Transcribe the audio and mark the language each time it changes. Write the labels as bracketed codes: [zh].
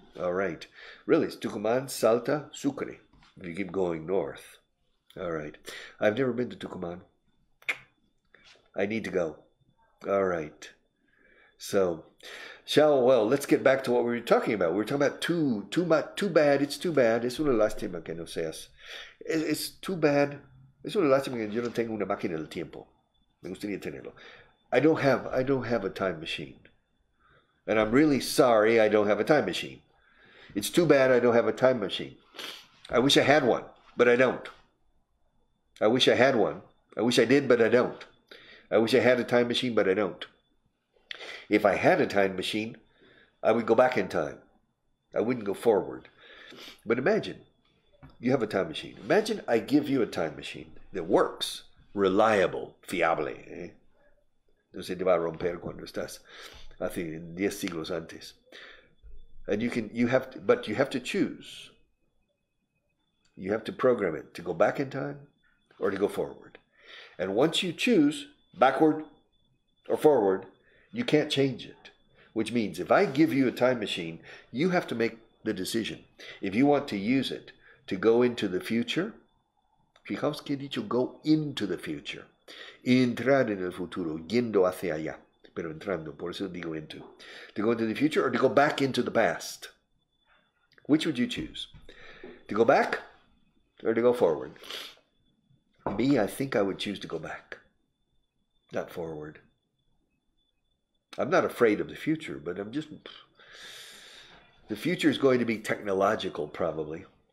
[en] All right, really, it's Tucumán, Salta, Sucre, if you keep going north. All right, I've never been to Tucumán. I need to go. All right, so... Well, let's get back to what we were talking about. We were talking about too bad. It's too bad. [es] Es una lástima que no seas. [en] It's too bad. [es] Es una lástima que yo no tengo una máquina del tiempo. Me gustaría tenerlo. [en] I don't have a time machine. And I'm really sorry I don't have a time machine. It's too bad I don't have a time machine. I wish I had one, but I don't. I wish I had one. I wish I did, but I don't. I wish I had a time machine, but I don't. If I had a time machine, I would go back in time. I wouldn't go forward. But imagine, you have a time machine. Imagine I give you a time machine that works, reliable, fiable. ¿Eh? [es] No se te va a romper cuando estás hace 10 siglos antes. [en] And you can, but you have to choose. You have to program it to go back in time or to go forward. And once you choose backward or forward, you can't change it, which means if I give you a time machine, you have to make the decision. If you want to use it to go into the future, [es] fijaos que he dicho [en] go into the future. [es] Entrar en el futuro, yendo hacia allá, pero entrando, por eso digo into. [en] To go into the future or to go back into the past? Which would you choose? To go back or to go forward? Me, I think I would choose to go back, not forward. I'm not afraid of the future, but I'm just... The future is going to be technological, probably.